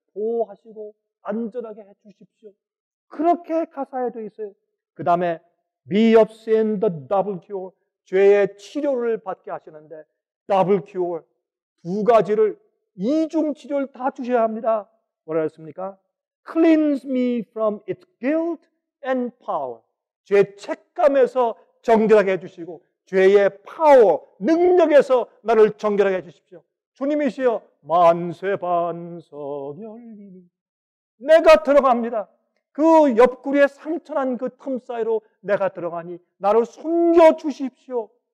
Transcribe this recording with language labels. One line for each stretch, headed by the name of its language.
Korean: 보호하시고 안전하게 해주십시오. 그렇게 가사에 되어 있어요. 그 다음에
English: Be of sin the double cure,
Korean: 죄의 치료를 받게 하시는데
English: double cure,
Korean: 두 가지를 이중 치료를 다 주셔야 합니다. 뭐라 했습니까?
English: Cleanse me from its guilt and power.
Korean: 죄 책감에서 정결하게 해주시고 죄의 파워, 능력에서 나를 정결하게 해주십시오. 주님이시여 만세 반석 열리니 내가 들어갑니다. 그 옆구리에 상처난 그 틈 사이로 내가 들어가니 나를 숨겨주십시오.